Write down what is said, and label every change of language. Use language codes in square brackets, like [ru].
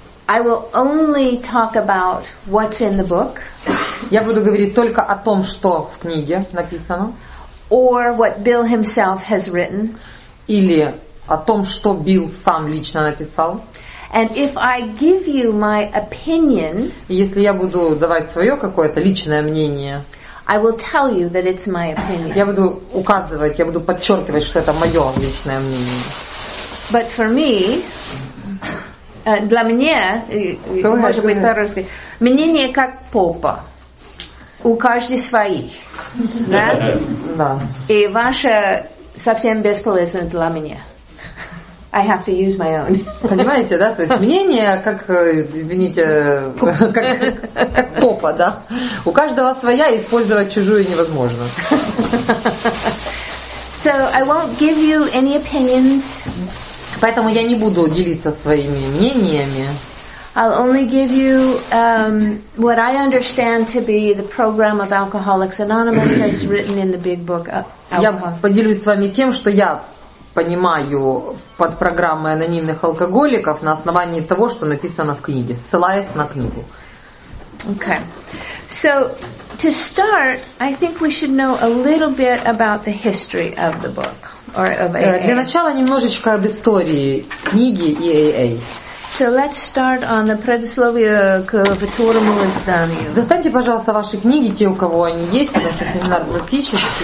[en] I will only talk about what's in the book. [ru] Я буду говорить только о том, что в книге написано. [en] Or what Bill himself has written. [ru] Или о том, что Билл сам лично написал. [en] And if I give you my opinion, [ru] если я буду давать свое какое-то личное мнение, [en] I will tell you that it's my opinion. [ru] Я буду указывать, я буду подчеркивать, что это мое личное мнение. [en] But for me, [ru] для меня, может быть, по-русски, мнение как попа. У каждой свои. Да? Да. И ваше совсем бесполезно для меня. [en] I have to use my own. [ru] Понимаете, да? То есть мнение как, извините, как попа, да? У каждого своя, использовать чужую невозможно. [en] So I won't give you any opinions. [ru] Поэтому я не буду делиться своими мнениями. [en] I'll only give you what I understand to be the program of Alcoholics Anonymous that's written in the big book. [ru] Я поделюсь с вами тем, что я понимаю под программой анонимных алкоголиков на основании того, что написано в книге, ссылаясь на книгу. [en] Okay. So, to start, I think we should know a little bit about the history of the book or of AA. [ru] Для начала немножечко об истории книги и AA. [en] So let's start on the [ru] предисловие к второму изданию. Достаньте, пожалуйста, ваши книги, те, у кого они есть, потому что семинар практический.